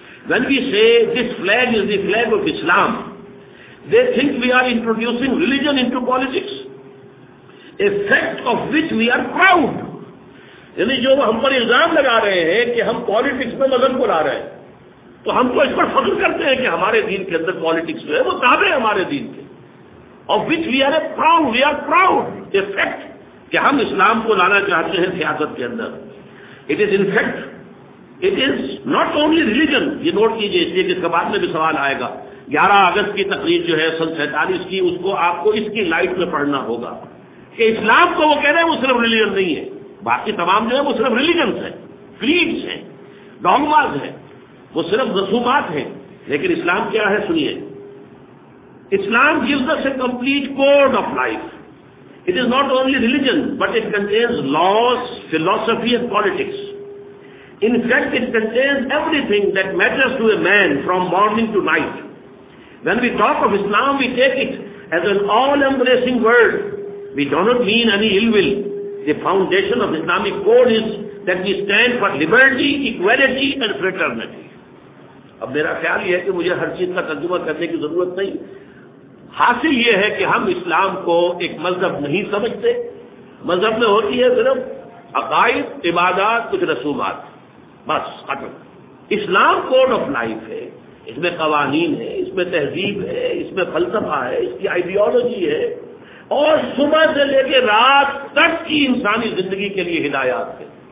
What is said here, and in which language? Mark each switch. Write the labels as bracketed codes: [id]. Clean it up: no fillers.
[en] When we say this flag is the flag of Islam, they think we are introducing religion into politics, a fact of which we are proud. [ur] یعنی جو ہم پر الزام لگا رہے ہیں کہ ہم پالیٹکس میں مدد کو لا رہے ہیں، تو ہم تو اس پر فخر کرتے ہیں کہ ہمارے دین کے اندر پالیٹکس جو ہے وہ تابع ہے ہمارے دین کے. [en] Of which we are proud, a fact [ur] کہ ہم اسلام کو لانا چاہتے ہیں سیاست کے اندر. [en] It is in fact, it is not only religion. [ur] یہ نوٹ کیجئے، اس لیے کہ اس کے بعد میں بھی سوال آئے گا. 11 اگست کی تقریر جو ہے 1947 کی، اس کو آپ کو اس کی لائٹ میں پڑھنا ہوگا کہ اسلام کو وہ کہہ رہے ہیں وہ صرف ریلیجن نہیں ہے، باقی تمام جو ہے وہ صرف ریلیجنس ہیں، کریڈز ہیں، ڈوگماز ہیں، وہ صرف رسومات ہیں. لیکن اسلام کیا ہے سنیے، اسلام [en] gives us a complete code of life. It is not only religion, but it contains laws, philosophy and politics. In fact, it contains everything that matters to a man from morning to night. When we talk of Islam, we take it as an all-embracing word. We do not mean any ill will. The foundation of Islamic code is that we stand for liberty, equality and fraternity. [ur] اب میرا خیال یہ ہے کہ مجھے ہر چیز کا ترجمہ کرنے کی ضرورت نہیں. حاصل یہ ہے کہ ہم اسلام کو ایک مذہب نہیں سمجھتے. مذہب میں ہوتی ہے صرف عقائد، عبادات، کچھ رسومات، بس ختم. اسلام کوڈ آف لائف ہے، اس میں قوانین ہے، اس میں تہذیب ہے، اس میں فلسفہ ہے، اس کی آئیڈیالوجی ہے، اور صبح سے لے کے رات تک کی انسانی زندگی کے لیے ہدایات ہے.